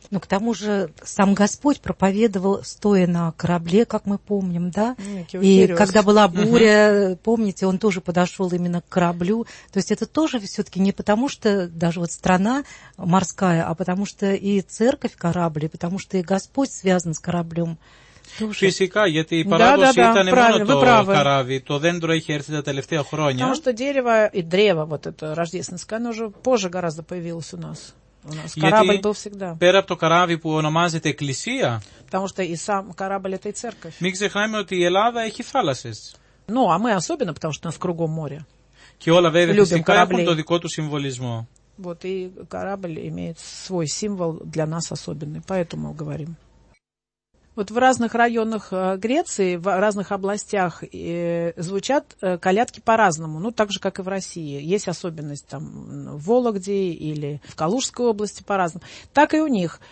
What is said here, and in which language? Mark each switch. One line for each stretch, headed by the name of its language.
Russian: Ну, к тому же, сам Господь проповедовал, стоя на корабле, как мы помним, да? И когда была буря, помните, он тоже подошел именно к кораблю. То есть это тоже все-таки не потому, что даже вот страна морская, а потому что и церковь корабль, потому что и Господь связан с кораблем.
Greek: Фисика, γιατί η παράδοση ήταν μόνο το καράβι, το δέντρο είχε έρθει τα τελευταία χρόνια.
Russian: Потому что дерево и древо вот это рождественское, оно уже позже гораздо появилось у нас. Корабль был всегда.
Greek: Πέρα από το καράβι που ονομάζεται εκκλησία.
Russian: Потому что и сам корабль это и церковь.
Greek: Μην ξεχνάμε ότι η Ελλάδα έχει θάλασσες.
Russian: Ну, а мы особенно, потому что у нас кругом море.
Greek: Και όλα βέβαια φυσικά έχουν το δικό του συμβολισμό.
Russian: Вот и корабль имеет свой символ для нас особенный, поэтому говорим. Вот в разных районах Греции, в разных областях звучат колядки по-разному, ну так же, как и в России. Есть особенность там в Вологде или в Калужской области по-разному. Так и у них.